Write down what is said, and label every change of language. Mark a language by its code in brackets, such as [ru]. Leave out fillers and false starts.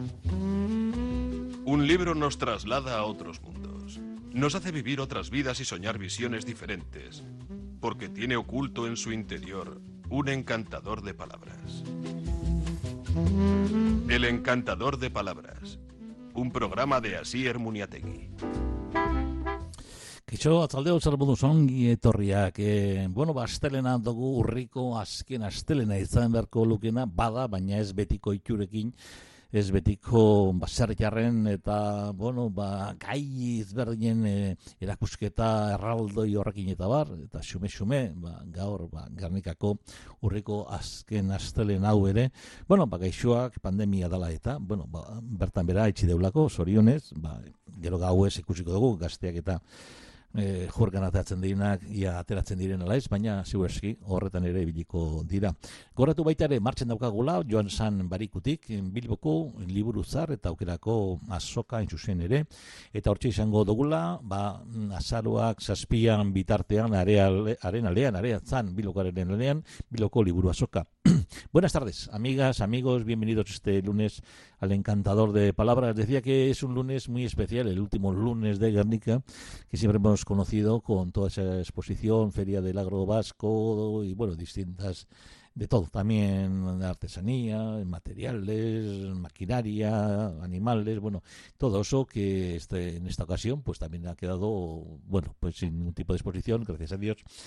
[es] Un libro nos traslada a otros mundos. Nos hace vivir otras vidas y soñar visiones diferentes, porque tiene oculto en su interior un encantador de palabras. El encantador de palabras. Un programa de Asier Muniategi. [eu] Kaixo, atzaldeon, zer moduz ongi etorriak. Bueno, astelena dugu urriko azken astelena izan beharko lukena, bada, baina ez betiko itxurekin, ez betiko baserritarren eta bueno, ba, gai ezberdinen erakusketa erraldoi horrekin eta bar, eta xume-xume, ba, gaur ba, Gernikako urriko azken astelen hau ere, bueno, ba, gaixoak pandemia dela eta, bueno, ba, bertan bera etxi deulako, zorionez, ba, gero gau ez ikusiko dugu, gazteak eta jurgan ateratzen direnak, ia ateratzen diren ala ez, baina ziurazki horretan ere ibiliko dira. Goratu baita ere martxan daukagula joan zan barikutik Bilboko liburu zar eta aukerako azoka intzusen ere, eta hortxe izango dugula, ba, azaroak zazpian bitartean areatzan Bilbokoaren alean, Bilboko liburu azoka. [es] Buenas tardes, amigas, amigos, bienvenidos este lunes al Encantador de Palabras. Decía que es un lunes muy especial, el último lunes de Gernika, que siempre hemos conocido con toda esa exposición, Feria del Agro Vasco y, bueno, distintas de todo, también de artesanía, materiales, maquinaria, animales, bueno, todo eso que este, en esta ocasión pues también ha quedado, bueno, pues sin ningún tipo de exposición, gracias a Dios,